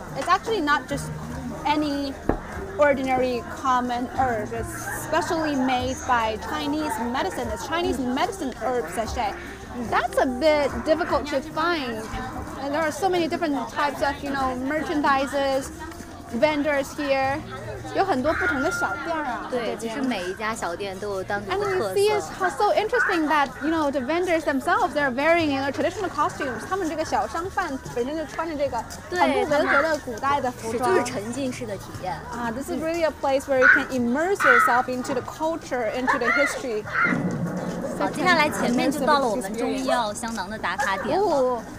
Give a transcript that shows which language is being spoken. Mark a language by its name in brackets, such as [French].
[English] It's actually not just any ordinary common herb. It's specially made by Chinese medicine. It's Chinese medicine herb sachet. That's a bit difficult to find, and there are so many different types of, you know, merchandises, vendors here. [Chinese] 有很多不同的小店啊，对，其实每一家小店都有当地的特色。 [English] And you see it's so interesting that, you know, the vendors themselves, they're wearing, you know, traditional costumes. [Chinese] 他们这个小商贩本身就穿着这个很不文革的古代的服装。就是沉浸式的体验。 [English] This is really a place where you can immerse yourself into the culture, into the history. [Chinese] 好，接下来前面就到了我们中医药香囊的打卡点了。